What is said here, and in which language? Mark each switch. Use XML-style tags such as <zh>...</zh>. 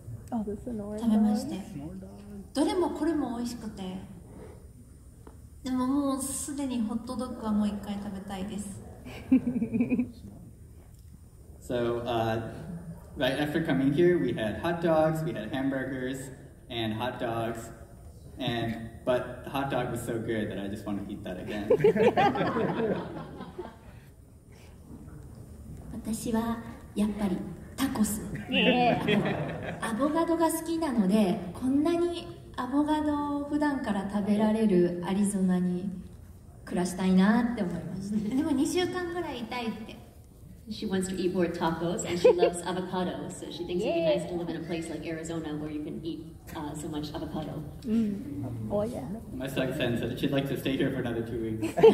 <ja>食べまして、どれもこれも美味しくて、でももうすでにホットドッグはもう一回食べたいです。</ja> <en>So, right after coming here, we had hot dogs, we had hamburgers and hot dogs, and but the hot dog was so good that I just want to eat that again.</en> <ja>私はやっぱりタコス。アボガドが好きなので、こんなにアボガドを普段から食べられるアリゾナに暮らしたいなって思いました。でも2週間ぐらいいたいって。</ja> <en>She wants to eat more tacos and she loves avocados, so she thinks it'd be nice to live in a place like Arizona where you can eat so much avocado. Oh yeah. My sixth sense that she'd like to stay here for another 2 weeks.</en>